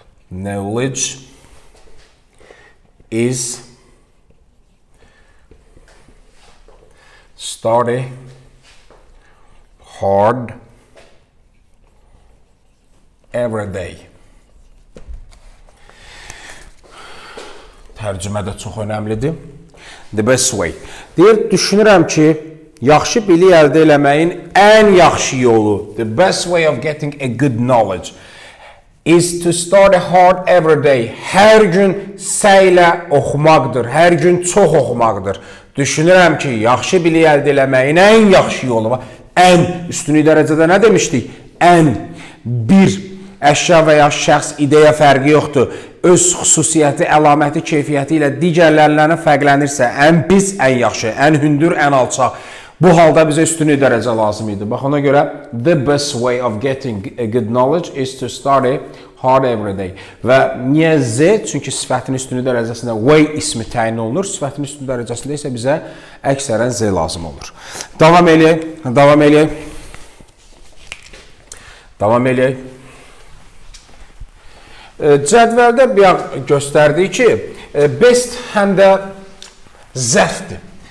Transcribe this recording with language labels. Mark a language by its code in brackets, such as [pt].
[en] Knowledge is study hard every day. [az] Tərcümə də çox önəmlidir. [en] The best way. [az] Deyir, düşünürəm ki, yaxşı bilik əldə eləməyin ən yaxşı yolu, [en] the best way of getting a good knowledge, is to study hard every day. [az] Hər gün səylə oxumaqdır, hər gün çox oxumaqdır. Düşünürəm ki, yaxşı bilik əldə eləməyin ən yaxşı yolu var. Ən, üstünlü dərəcədə nə demişdik? Ən, bir, əşya və ya şəxs, ideya fərqi yoxdur. Öz xüsusiyyəti, əlaməti, keyfiyyəti ilə digərlərindən fərqlənirsə, ən pis, ən yaxşı, ən hündür, ən alçaq. Bu halda bizə üstünlük dərəcə lazım idi. [en] Bax, ona görə, the best way of getting a good knowledge is to study hard every day. [az] Və niyə Z? Çünki sifətin üstünlük dərəcəsində way ismi təyin olunur. Sifətin üstünlük dərəcəsində isə bizə əksərən Z lazım olur. Davam eləyək, davam eləyək. Davam eləyək. Cədvəldə bir göstərdik ki, best həm də zərfdir.